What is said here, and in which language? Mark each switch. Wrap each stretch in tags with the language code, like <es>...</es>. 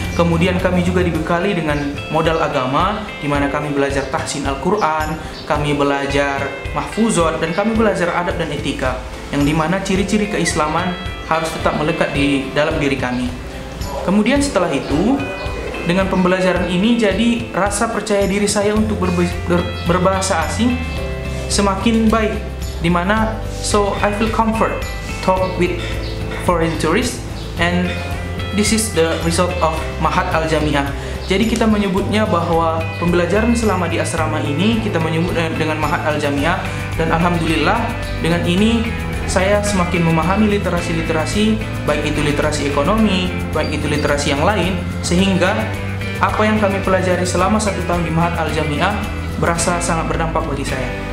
<id>Kemudian kami juga dibekali dengan modal agama, di mana kami belajar tahsin Al-Quran, kami belajar mahfuzat, dan kami belajar adab dan etika, yang di mana ciri-ciri keislaman harus tetap melekat di dalam diri kami. Kemudian setelah itu, dengan pembelajaran ini, jadi rasa percaya diri saya untuk berbahasa asing semakin baik. Di mana,</id> <en>so I feel comfort talk with foreign tourists, and this is the result of Mahat Al Jamiah.</en> <id>Jadi kita menyebutnya bahwa pembelajaran selama di asrama ini kita menyebut dengan Mahat Al Jamiah, dan alhamdulillah dengan ini saya semakin memahami literasi-literasi, baik itu literasi ekonomi, baik itu literasi yang lain, sehingga apa yang kami pelajari selama 1 tahun di Mahat Al Jamiah berasa sangat berdampak bagi saya.</id>